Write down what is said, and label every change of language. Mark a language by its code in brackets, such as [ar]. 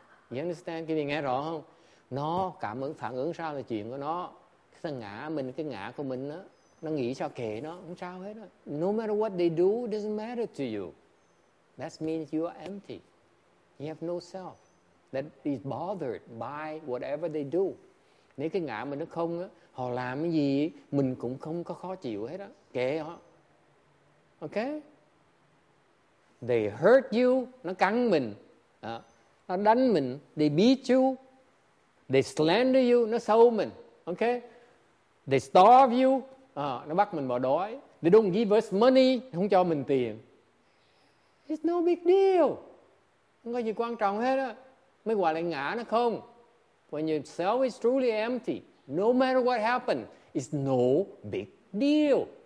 [en] You understand [vi] cái điều nghe rõ không? Nó cảm ứng, phản ứng sao là chuyện của nó. Cái ngã mình, cái ngã của mình đó, nó nghĩ sao kệ nó, không sao hết đó. [en] No matter what they do, it doesn't matter to you. That means you are empty. You have no self that is bothered by whatever they do. [vi] Nếu cái ngã mình nó không á, họ làm cái gì mình cũng không có khó chịu hết á, kệ họ. [en] Okay? They hurt you, [vi] nó cắn mình, nó đánh mình, [en] they beat you, they slander you, [vi] nó xấu mình. [en] Okay? They starve you, [vi] nó bắt mình bỏ đói. [en] They don't give us money, [vi] không cho mình tiền. [en] It's no big deal. [vi] Không có gì quan trọng hết á. Mới gọi là ngã nó không. [en] When your self is truly empty, no matter what happened, it's no big deal.